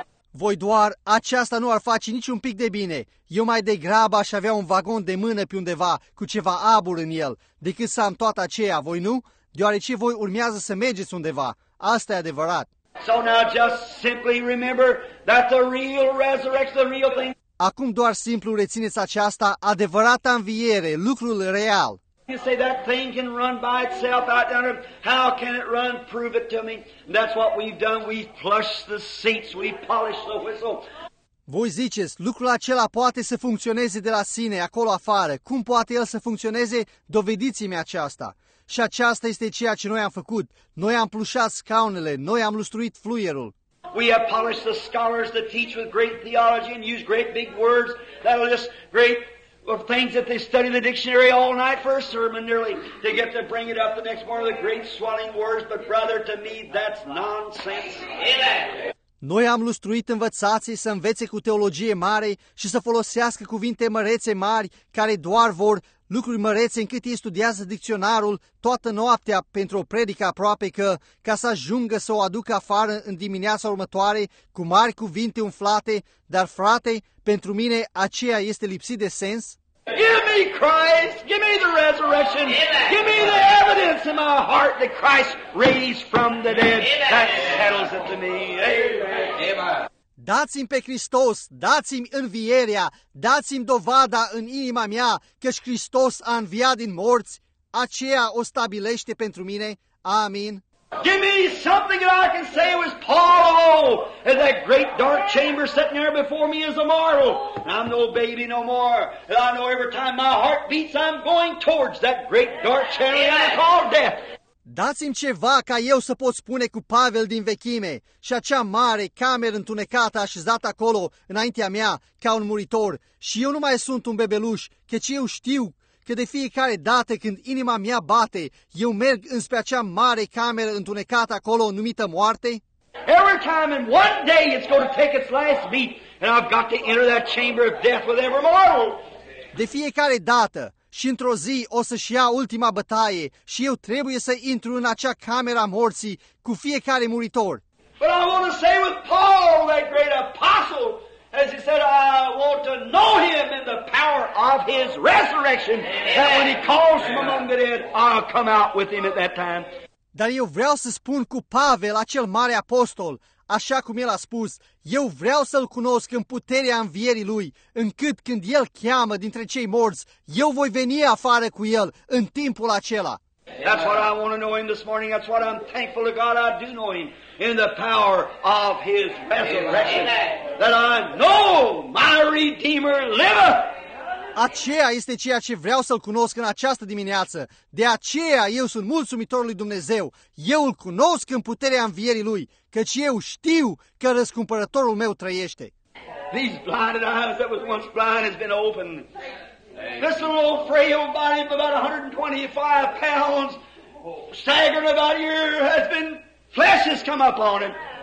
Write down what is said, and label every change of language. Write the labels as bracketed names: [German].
[Romanian] Voi doar, aceasta nu ar face nici un pic de bine. Eu mai degrabă aș avea un vagon de mână pe undeva, cu ceva abur în el, decât să am toată aceea, voi nu? Deoarece voi urmează să mergeți undeva. Asta e adevărat. [English] So now just simply remember that the real resurrection, the real thing. [Romanian] Acum doar simplu rețineți aceasta, adevărata înviere, lucrul real. [English] You say that thing can run by itself out there. How can it run? Prove it to me. That's what we've done. We've plushed the seats. We've polished the whistle. [Romanian] Voi ziceți, lucrul acela poate să funcționeze de la sine, acolo afară. Cum poate el să funcționeze? Dovediți-mi aceasta. Și aceasta este ceea ce noi am făcut. Noi am plușat scaunele. Noi am lustruit fluierul. [English] We have polished the scholars that teach with great theology and use great big words. That are just great. Of things that they study in the dictionary all night for a sermon, nearly they get to bring it up the next morning, the great swelling words. But brother, to me, that's nonsense. [Romanian] Noi am lustruit învățații să învețe cu teologie mare și să folosească cuvinte mărețe mari care doar vor lucruri mărețe încât ei studiază dicționarul toată noaptea pentru o predică aproape că, ca să ajungă să o aducă afară în dimineața următoare cu mari cuvinte umflate, dar frate, pentru mine aceea este lipsit de sens. [English] Give me Christ, give me the resurrection, give me the evidence in my heart that Christ raised from the dead. That settles it to me. Amen. [Romanian] Dați-mi pe Hristos, dați-mi învierea, dați-mi dovada în inima mea căci Hristos a înviat din morți, aceea o stabilește pentru mine. Amin. [English] Give me something that I can say was Paul, and that great dark chamber sitting there before me is a marvel. I'm no baby no more, and I know every time my heart beats I'm going towards that great dark chamber called death. [Romanian] Dați-mi ceva ca eu să pot spune cu Pavel din vechime și acea mare cameră întunecată așezată acolo înaintea mea ca un muritor și eu nu mai sunt un bebeluș, căci eu știu că de fiecare dată când inima mea bate, eu merg înspre acea mare cameră întunecată acolo numită moarte. [English] Every time in one day it's going to take its last beat and I've got to enter that chamber of death with every mortal. [Romanian] De fiecare dată. Și într-o zi o să-și ia ultima bătaie și eu trebuie să intru în acea cameră a morții cu fiecare muritor. [English] But I want to say with Paul, that great apostle, as he said, I want to know him in the power of his resurrection, that when he calls from among the dead, I'll come out with him at that time. [Romanian] Dar eu vreau să spun cu Pavel, acel mare apostol, așa cum el a spus, eu vreau să-l cunosc în puterea învierii lui, încât când el cheamă dintre cei morți, eu voi veni afară cu el în timpul acela. [English] That's what I want to know him this morning. That's what I'm thankful to God I do know him in the power of his resurrection. Amen. that I know my Redeemer liveth. [Romanian] Aceea este ceea ce vreau să-L cunosc în această dimineață. De aceea eu sunt mulțumitor lui Dumnezeu. Eu îl cunosc în puterea învierii Lui, căci eu știu că răscumpărătorul meu trăiește. [English] These blinded eyes that was once blind has been opened. This little old frail body of about 125 pounds staggered about here has been, flesh has come upon him.